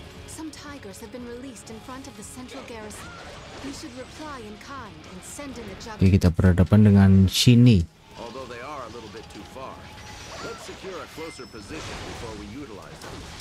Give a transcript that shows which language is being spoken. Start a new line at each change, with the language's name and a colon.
English: Some tigers have been released in front of the central garrison. We should reply in kind and send in the jug.
Indonesian: Oke, kita berhadapan dengan Shinny.
English: Although they are a little bit too far, let's secure a closer position before we utilize them.